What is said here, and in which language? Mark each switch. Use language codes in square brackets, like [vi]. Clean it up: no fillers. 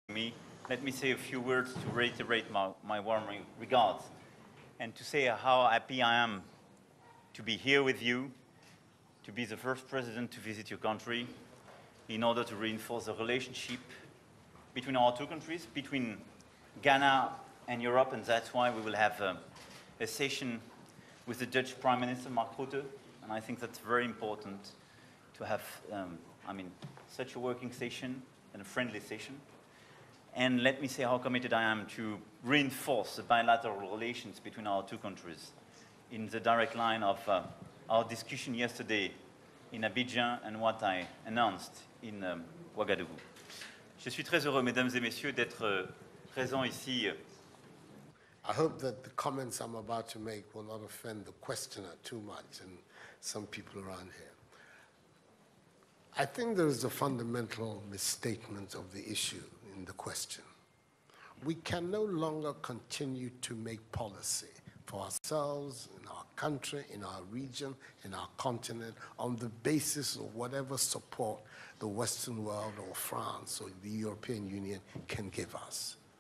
[en] me, let me say a few words to reiterate my warm regards and to say how happy I am to be here with you, to be the first president to visit your country in order to reinforce the relationship between our two countries, between Ghana and Europe, and that's why we will have a session with the Dutch Prime Minister, Mark Rutte, and I think that's very important to have, such a working session and a friendly session. And let me say how committed I am to reinforce the bilateral relations between our two countries in the direct line of our discussion yesterday in Abidjan and what I announced in Ouagadougou. [fr] Je suis très heureux, mesdames et messieurs, d'être présent ici. [en] I hope that the comments I'm about to make will not offend the questioner too much and some people around here. I think there is a fundamental misstatement of the issue in the question. We can no longer continue to make policy for ourselves, in our country, in our region, in our continent, on the basis of whatever support the Western world or France or the European Union can give us.